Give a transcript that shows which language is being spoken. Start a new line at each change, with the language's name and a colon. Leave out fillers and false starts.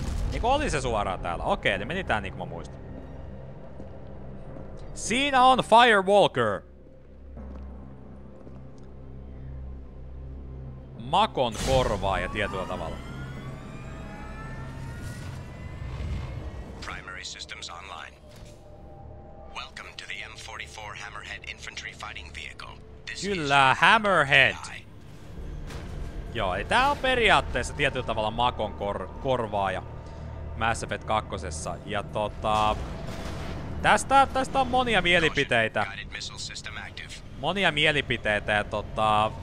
Finnish: Niinku oli se suoraan täällä. Okei, niin meni tää niinku mä muistan. Siinä on Firewalker! Makon korvaa ja tietyllä tavalla.
English: Primary systems online. Welcome to the M44 Hammerhead Infantry fighting vehicle.
Finnish: Kyllä, Hammerhead! Joo, eli tää on periaatteessa tietyllä tavalla Makon korvaaja Mass Effect 2. Ja tota... Tästä on monia mielipiteitä. Ja tota...